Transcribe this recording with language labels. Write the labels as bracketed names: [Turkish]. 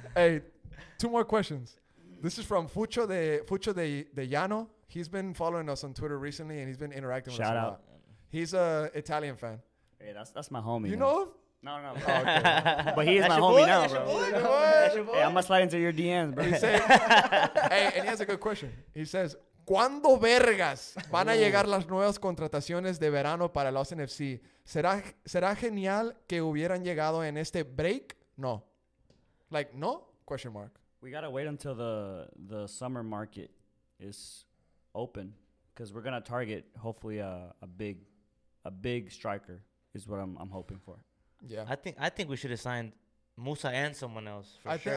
[English] Hey, two more questions. This is from Fucho de Llano. He's been following us on Twitter recently, and he's been interacting with us a lot. Shout out. He's a Italian fan. Hey, that's my homie. You know him? No, bro. Okay. But he is my homie now, bro. Hey, I'm going to slide into your DMs, bro. Hey, and he has a good question. He says, [Spanish] ¿cuándo vergas van a llegar las nuevas contrataciones de verano para el Austin FC? ¿Será genial que hubieran llegado en este break? [English] No. Like, no? Question mark. We got to wait until the summer market is open because we're going to target, hopefully, a big striker is what I'm hoping for. Yeah. I think we should have signed Musa and someone else for sure.